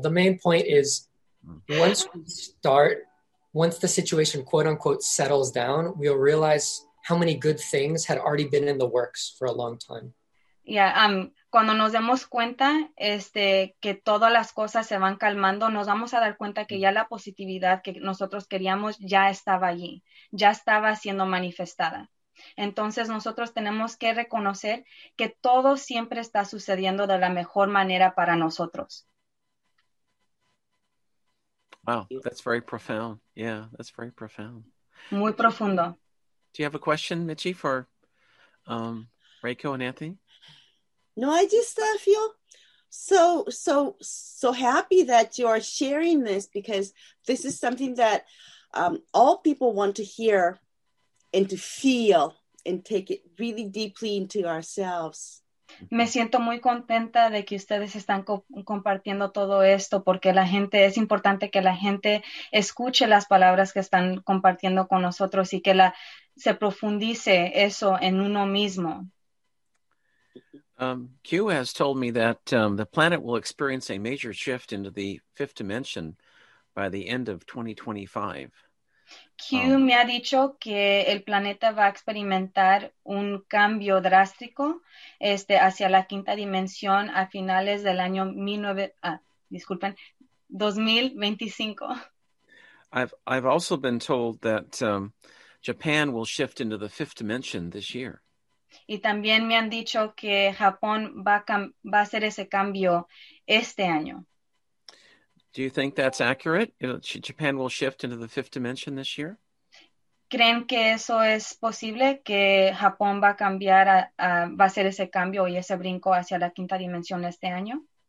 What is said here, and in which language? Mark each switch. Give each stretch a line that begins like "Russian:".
English: The main point is once the situation, quote unquote, settles down, we'll realize how many good things had already been in the works for a long time.
Spanish: Yeah, cuando nos demos cuenta que todas las cosas se van calmando, nos vamos a dar cuenta que ya la positividad que nosotros queríamos ya estaba allí, ya estaba siendo manifestada. Entonces nosotros tenemos que reconocer que todo siempre está sucediendo de la mejor manera para nosotros.
English: Wow, that's very profound. Yeah, that's very profound.
Spanish: Muy profundo.
English: Do you have a question, Michi, for Reiko and Anthony? No, I just feel so happy that you are sharing this, because this is something that all people want to hear and to feel and take it really deeply into ourselves.
Spanish: Me siento muy contenta de que ustedes están compartiendo todo esto, porque la gente, es importante que la gente escuche las palabras que están compartiendo con nosotros y que se profundice eso en uno mismo.
English: Q has told me that the planet will experience a major shift into the fifth dimension by the end of 2025.
Spanish: Q me ha dicho que el planeta va a experimentar un cambio drástico hacia la quinta dimensión a finales del año 2025.
English: I've also been told that Japan will shift into the fifth dimension this year.
Spanish: Y también me han dicho que Japón va a hacer ese cambio este año.
English: Do you think that's accurate? Japan will shift into the fifth dimension this year?
Spanish: ¿Creen que eso es posible, que Japón va a cambiar, va a hacer ese cambio y ese brinco hacia la quinta dimensión este año?